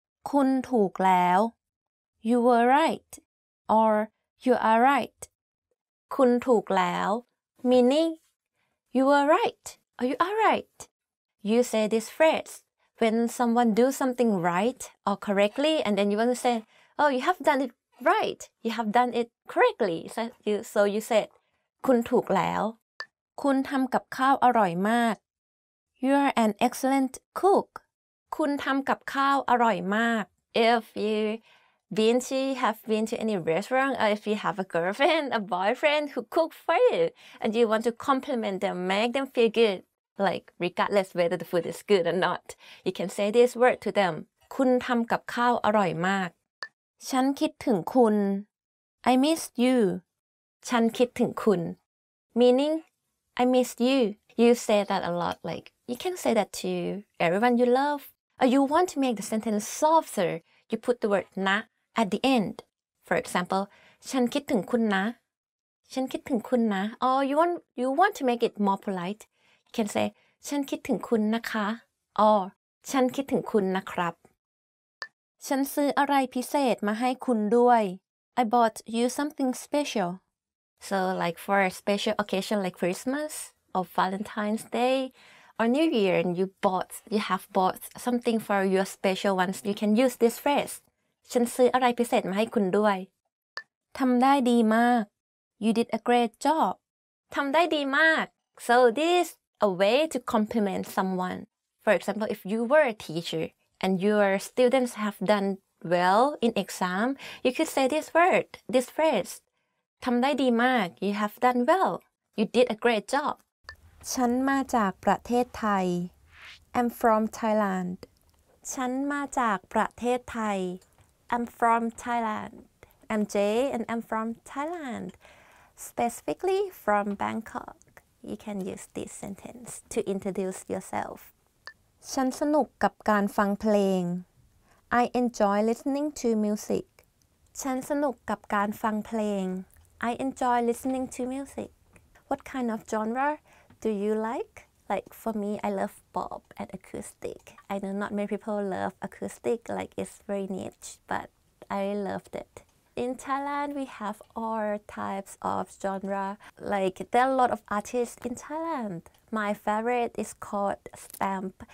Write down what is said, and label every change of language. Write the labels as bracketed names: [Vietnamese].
[Thai] คุณถูกแล้ว [English] You were right, or you are right. [Thai] คุณถูกแล้ว [English] meaning you were right or you are right. You say this phrase when someone do something right or correctly, and then you want to say, "Oh, you have done it Right, you have done it correctly. So you said, [Thai] คุณถูกแล้วคุณทำกับข้าวอร่อยมาก [English] You are an excellent cook. [Thai] คุณทำกับข้าวอร่อยมาก [English] If you have been to any restaurant, or if you have a girlfriend, a boyfriend who cook for you, and you want to compliment them, make them feel good, like regardless whether the food is good or not, you can say this word to them. [Thai] คุณทำกับข้าวอร่อยมาก ฉันคิดถึงคุณ [English] I miss you [Thai] ฉันคิดถึงคุณ [English] meaning I miss you you say that a lot like you can say that to everyone you love or you want to make the sentence softer you put the word นะ at the end for example [Thai] ฉันคิดถึงคุณนะฉันคิดถึงคุณนะ [English] or you want to make it more polite you can say [Thai] ฉันคิดถึงคุณนะคะ [English] or [Thai] ฉันคิดถึงคุณนะครับ ฉันซื้ออะไรพิเศษมาให้คุณด้วย [English] I bought you something special. So like for a special occasion like Christmas or Valentine's Day or New Year and you have bought something for your special ones, you can use this phrase. [Thai] ฉันซื้ออะไรพิเศษมาให้คุณด้วยทำได้ดีมาก [English] You did a great job. [Thai] ทำได้ดีมาก [English] So this is a way to compliment someone. For example, if you were a teacher,And your students have done well in exam, you could say this word, this phrase. [Thai] ทำได้ดีมาก [English] You have done well. You did a great job. [Thai] ฉันมาจากประเทศไทย [English] I'm from Thailand. [Thai] ฉันมาจากประเทศไทย [English] I'm from Thailand. I'm Jay and I'm from Thailand. Specifically from Bangkok. You can use this sentence to introduce yourself. [Thai] ฉันสนุกกับการฟังเพลง [English] I enjoy listening to music [Thai] ฉันสนุกกับการฟังเพลง [English] I enjoy listening to music What kind of genre do you like? Like for me, I love pop and acoustic I know not many people love acoustic like it's very niche but I loved it In Thailand, we have all types of genre like there are a lot of artists in Thailand My favorite is called Stamp.